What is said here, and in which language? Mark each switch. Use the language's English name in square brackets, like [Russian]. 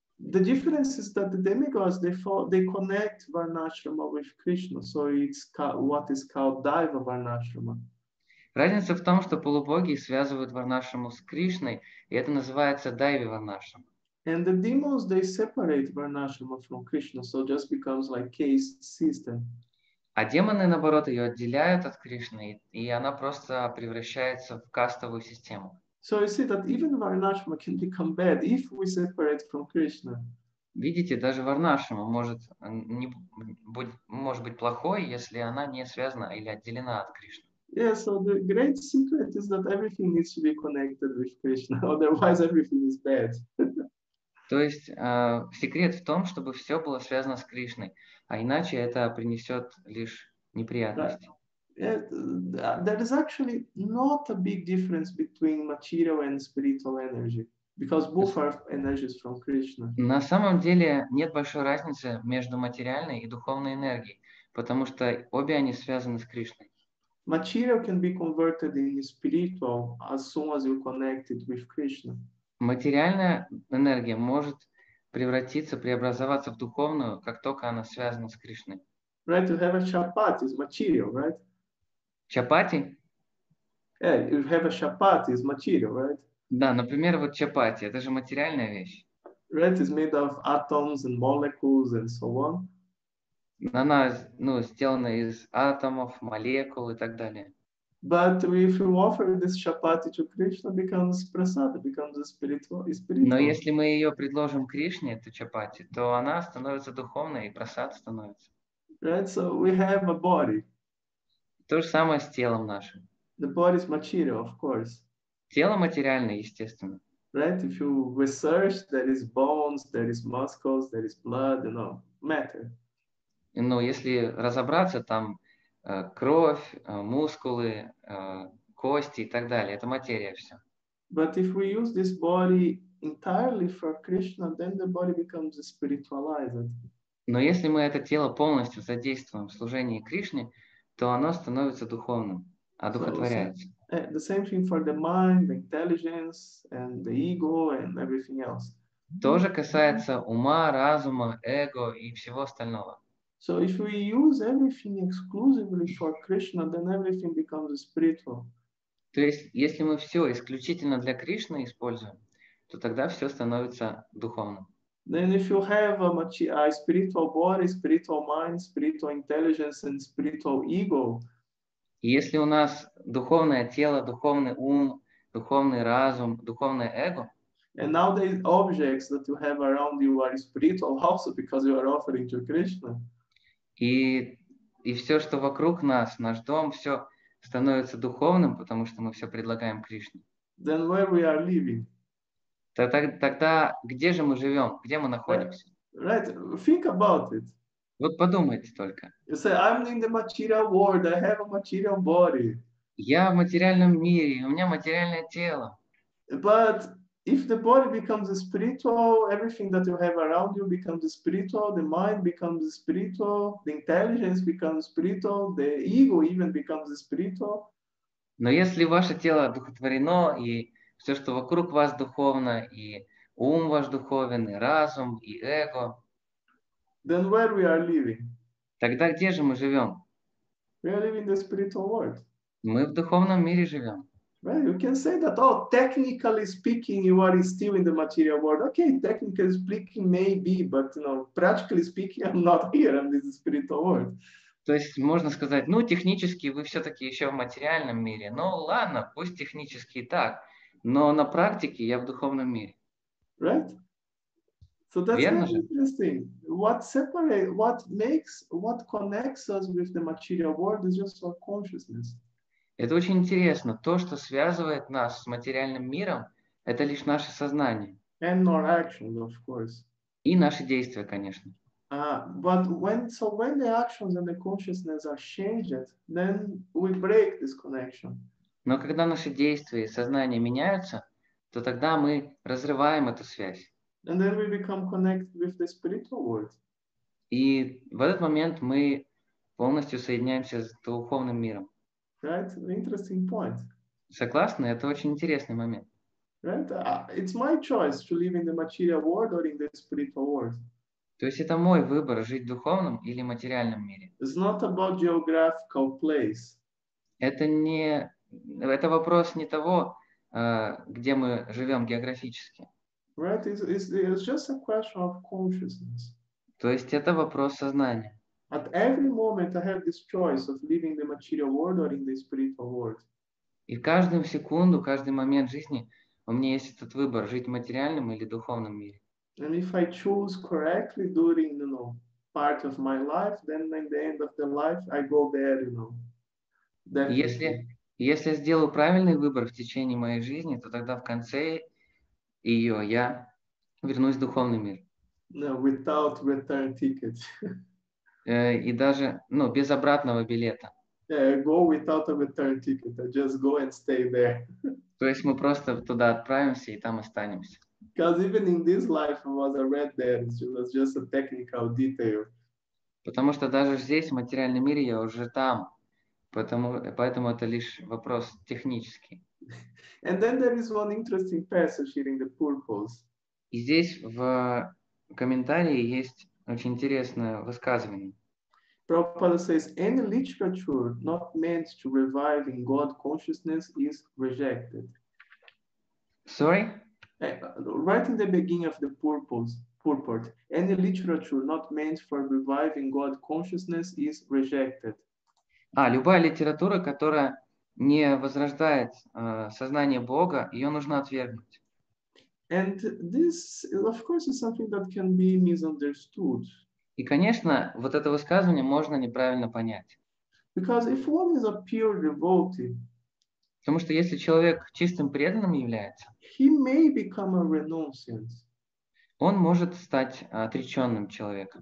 [English] The difference is that the demigods, they connect Varnashrama with Krishna, so it's what is called Daiva Varnashrama. [Russian] Разница в том, что полубоги связывают Варнашраму с Кришной, и это называется Дайви Варнашрама. [English] And the demons, they separate Varnashrama from Krishna, so it just becomes like caste system. [Russian] А демоны, наоборот, ее отделяют от Кришны, и она просто превращается в кастовую систему. [English] So you see that even Varnashrama can become bad if we separate from Krishna. [Russian] Видите, даже Варнашрама может, не, может быть плохой, если она не связана или отделена от Кришны. [English] Yeah, so the great secret is that everything needs to be connected with Krishna, otherwise everything is bad. [Russian] То есть секрет в том, чтобы все было связано с Кришной, а иначе это принесет лишь неприятности. [English] There is actually not a big difference between material and spiritual energy, because both are energies from Krishna. [Russian] На самом деле нет большой разницы между материальной и духовной энергией, потому что обе они связаны с Кришной. [English] Material can be converted into spiritual as soon as you connect it with Krishna. [Russian] Материальная энергия может превратиться, преобразоваться в духовную, как только она связана с Кришной. [English] Right, you have a chapati is material, right? [Russian] Чапати? [English] Yeah, you have a chapati is material, right? [Russian] Да, например, вот чапати, это же материальная вещь. [English] Right, it's made of atoms and molecules and so on. [Russian] Она, ну, сделана из атомов, молекул и так далее. [English] But if you offer this chapati to Krishna, it becomes prasad, it becomes a spiritual. [Russian] Но если мы ее предложим Кришне, эту чапати, то она становится духовной, и прасад становится. [English] Right, so we have a body. [Russian] То же самое с телом нашим. [English] The body is material, of course. [Russian] Тело материальное, естественно. [English] Right, if you research, there is bones, there is muscles, there is blood, you know, matter. [Russian] Но если разобраться, там кровь, мускулы, кости и так далее. Это материя все. [English] But if we use this body entirely for Krishna, then the body becomes spiritualized. [Russian] Но если мы это тело полностью задействуем в служении Кришне, то оно становится духовным, одухотворяется. [English] The same thing for the mind, the intelligence, and the ego, and everything else. [Russian] Тоже касается ума, разума, эго и всего остального. [English] So if we use everything exclusively for Krishna, then everything becomes spiritual. [Russian] То есть, если мы все исключительно для Кришны используем, то тогда все становится духовным. [English] Then if you have a spiritual body, spiritual mind, spiritual intelligence, and spiritual ego. [Russian] Если у нас духовное тело, духовный ум, духовный разум, духовное эго. [English] And now the objects that you have around you are spiritual also because you are offering to Krishna. [Russian] И все, что вокруг нас, наш дом, все становится духовным, потому что мы все предлагаем Кришне. [English] Then where we are living? [Russian] Тогда где же мы живем? Где мы находимся? [English] Right. Think about it. [Russian] Вот подумайте только. [English] You say, I'm in the material world, I have a material body. [Russian] Я в материальном мире, у меня материальное тело. [English] But if the body becomes spiritual, everything that you have around you becomes spiritual, the mind becomes spiritual, the intelligence becomes spiritual, the ego even becomes spiritual. [Russian] Но если ваше тело духотворено, и все, что вокруг вас духовно, и ум ваш духовен, и разум, и эго, [English] then where we are living? [Russian] Тогда где же мы живем? [English] We are living in the spiritual world. [Russian] Мы в духовном мире живем. [English] Well, you can say that, oh, technically speaking, you are still in the material world. Okay, technically speaking, maybe, but, you know, practically speaking, I'm not here, I'm in the spiritual world. [Russian] То есть можно сказать, ну, технически вы все-таки еще в материальном мире. Ну, ладно, пусть технически и так, но на практике я в духовном мире. [English] Right? So that's very interesting. What connects us with the material world is just our consciousness. [Russian] Это очень интересно. То, что связывает нас с материальным миром, это лишь наше сознание. [English] And our actions, of course. [Russian] И наши действия, конечно. [English] But when the actions and the consciousness are changed, then we break this connection. [Russian] Но когда наши действия и сознание меняются, то тогда мы разрываем эту связь. [English] And then we become connected with the spiritual world. [Russian] И в этот момент мы полностью соединяемся с духовным миром. [English] Right, an interesting point. [Russian] Согласны? Это очень интересный момент. [English] Right? It's my choice to live in the material world or in the spiritual world. [Russian] То есть это мой выбор, жить в духовном или материальном мире. [English] It's not about geographical place. [Russian] Это вопрос не того, где мы живем географически. [English] Right? It's just a question of consciousness. [Russian] То есть это вопрос сознания. [English] At every moment I have this choice of living the material world or in the spiritual world. [Russian] И каждую секунду, каждый момент жизни у меня есть этот выбор, жить в материальном или духовном мире. [English] And if I choose correctly during, you know, part of my life, then in the end of the life I go there, you know, definitely. [Russian] Если я сделаю правильный выбор в течение моей жизни, то тогда в конце ее я вернусь в духовный мир. [English] No, without return ticket. [Russian] И даже, ну, без обратного билета. [English] Yeah, I go without a return ticket. I just go and stay there. [Russian] То есть мы просто туда отправимся и там останемся. [English] Because even in this life I was already there. It was just a technical detail. [Russian] Потому что даже здесь, в материальном мире, я уже там. Поэтому это лишь вопрос технический. [English] And then there is one interesting passage here in the purport. [Russian] И здесь в комментарии есть очень интересное высказывание. [English] Prabhupada says, any literature not meant to revive in God consciousness is rejected. Sorry? Right in the beginning of the purport, any literature not meant for reviving God consciousness is rejected. [Russian] А, любая литература, которая не возрождает сознание Бога, ее нужно отвергнуть. [English] And this, of course, is something that can be misunderstood. [Russian] И, конечно, вот это высказывание можно неправильно понять. [English] Because if one is a pure devotee, [Russian] потому что если человек чистым преданным является, [English] he may become a renunciant. [Russian] Он может стать отреченным человеком.